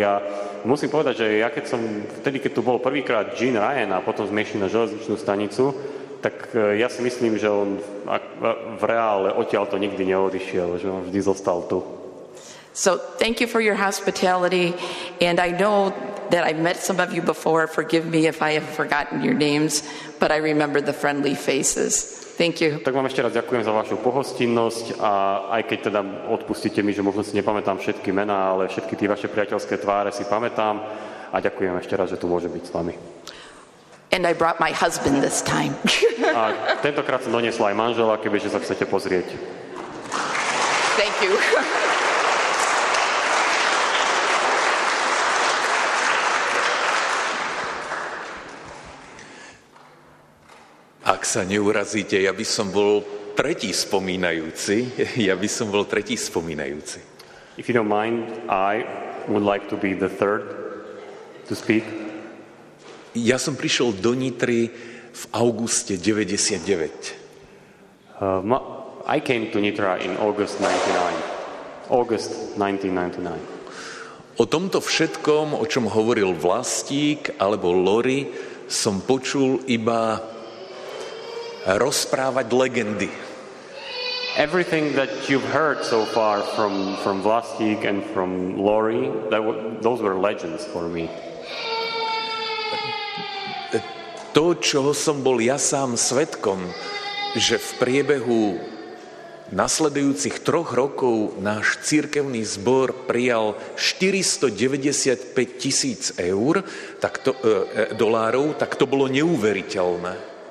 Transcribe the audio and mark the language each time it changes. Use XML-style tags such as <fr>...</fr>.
<sk>A musím povedať, že ja keď tu bol prvýkrát Gene Ryan a potom zmieši na železničnú stanicu, tak ja si myslím, že on v reále odtiaľ to nikdy neodišiel, že on vždy zostal tu.</sk> <en>So thank you for your hospitality, and I know that I met some of you before. Forgive me if I have forgotten your names, but I remember the friendly faces. Thank you.</en> <sk>Tak vám ešte raz ďakujem za vašu pohostinnosť a aj keď teda odpustíte mi, že možno si nepamätám všetky mená, ale všetky tie vaše priateľské tváre si pamätám a ďakujem ešte raz, že tu môžem byť s vami.</sk> <en>And I brought my husband this time.</en> <sk>A tentokrát som doniesla aj manžela, kebyže sa chcete pozrieť.</sk> <en>Thank you.</en> <sk>Ak sa neurazíte, ja by som bol tretí spomínajúci. Ja by som bol tretí spomínajúci.</sk> <en>If you don't mind, I would like to be the third to speak.</en> <sk>Ja som prišiel do Nitry v auguste 99.</sk> <en>I came to Nitra in August 99. August 1999.</en> <sk>O tomto všetkom, o čom hovoril Vlastík alebo Lori, som počul iba rozprávať legendy.</sk> <en>Everything that you've heard so far from Vlastík and from Lori, those were legends for me.</en> <sk>To, čoho som bol ja sám svedkom, že v priebehu nasledujúcich 3 rokov náš cirkevný zbor prijal 495 000 eur, tak to, dolárov, tak to bolo neuveriteľné.</sk>